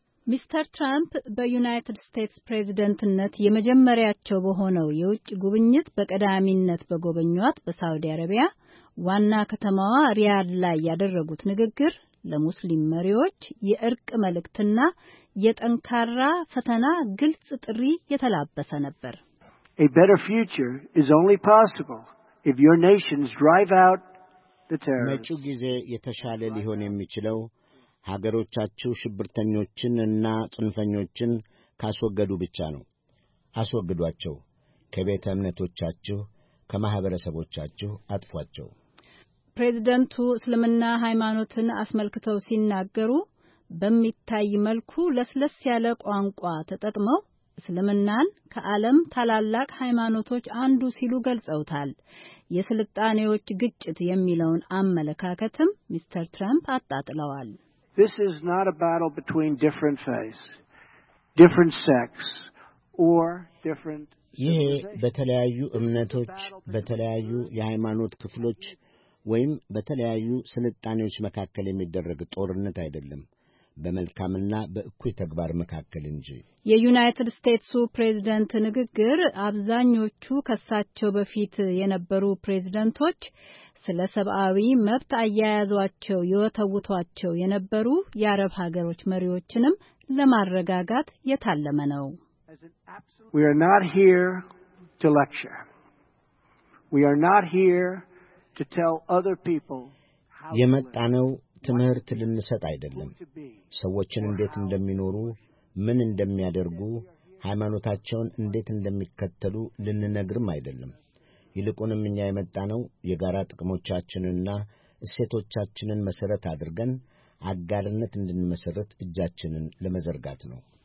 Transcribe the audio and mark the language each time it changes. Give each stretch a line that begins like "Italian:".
Amharic: ሚስተር ትራምፕ በዩናይትድ ስቴትስ ፕሬዝደንትነት የመጀመሪያቸው በሆነው የውጭ ጉብኝት በቀዳሚነት በጎበኟት በሳውዲ አረቢያ ዋና ከተማዋ ሪያድ ላይ ያደረጉት ንግግር ለሙስሊም መሪዎች የእርቅ መልእክትና የጠንካራ ፈተና ግልጽ ጥሪ የተላበሰ ነበር።
English: A better future is only possible if your nations drive out the terrorists.
Amharic: መጪው ጊዜ የተሻለ ሊሆን የሚችለው ሀገሮቻችሁ ሽብርተኞችን እና ጽንፈኞችን ካስወገዱ ብቻ ነው። አስወግዷቸው። ከቤተ እምነቶቻችሁ ከማህበረሰቦቻችሁ አጥፏቸው። ፕሬዝደንቱ እስልምና ሃይማኖትን አስመልክተው ሲናገሩ በሚታይ መልኩ ለስለስ ያለ ቋንቋ ተጠቅመው እስልምናን ከዓለም ታላላቅ ሃይማኖቶች አንዱ ሲሉ ገልጸውታል። የስልጣኔዎች ግጭት የሚለውን አመለካከትም ሚስተር ትራምፕ አጣጥለዋል።
English: This is not a battle between different faiths, different sects, or different
Amharic: ይሄ በተለያዩ እምነቶች በተለያዩ የሃይማኖት ክፍሎች ወይም በተለያዩ ስልጣኔዎች መካከል የሚደረግ ጦርነት አይደለም፣ በመልካምና በእኩይ ተግባር መካከል እንጂ። የዩናይትድ ስቴትሱ ፕሬዝዳንት ንግግር አብዛኞቹ ከሳቸው በፊት የነበሩ ፕሬዝዳንቶች ስለ ሰብአዊ መብት አያያዟቸው የወተውቷቸው የነበሩ የአረብ ሀገሮች መሪዎችንም ለማረጋጋት የታለመ ነው።
English: We are not here to lecture. We are not here to tell other people how
Amharic: የመጣነው ትምህርት ልንሰጥ አይደለም። ሰዎችን እንዴት እንደሚኖሩ፣ ምን እንደሚያደርጉ፣ ሃይማኖታቸውን እንዴት እንደሚከተሉ ልንነግርም አይደለም። ይልቁንም እኛ የመጣነው የጋራ ጥቅሞቻችንና እሴቶቻችንን መሰረት አድርገን አጋርነት እንድንመሰረት እጃችንን ለመዘርጋት ነው።